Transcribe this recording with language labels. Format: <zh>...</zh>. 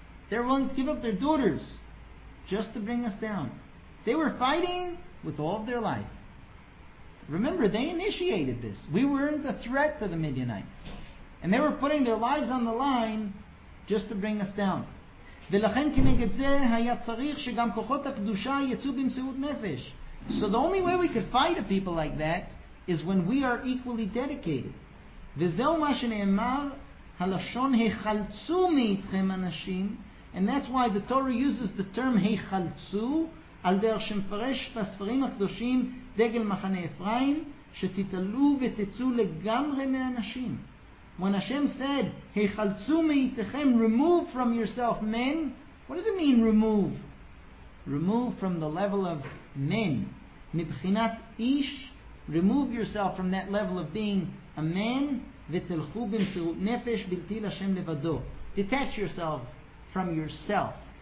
<en>They were willing to give up their daughters just to bring us down. They were fighting with all of their life. Remember, they initiated this. We weren't a threat to the Midianites. And they were putting their lives on the line just to bring us down.</en> <he>ולכן כנגד זה היה צריך שגם כוחות הקדושה יצאו במסירות נפש.</he> <en>So the only way we could fight a people like that is when we are equally dedicated.</en> <he>וזהו מה שנאמר, הלשון היחלצו מאיתכם אנשים,</he> <en>and that's why the Torah uses the term היחלצו,</en> <he>על דרך שמפרש בספרים הקדושים דגל מחנה אפרים, שתתעלו ותצאו לגמרי מאנשים.</he> <en>When Hashem said,</en> <he>"Heichalzu meitechem,"</he> <en>remove from yourself men. What does it mean, remove? Remove from the level of men.</en> <he>Mibchinat ish,</he> <en>remove yourself from that level of being a man.</en> <he>V'telchu b'mesirut nefesh bilti l'Hashem levado.</he> <en>Detach yourself from yourself.</en>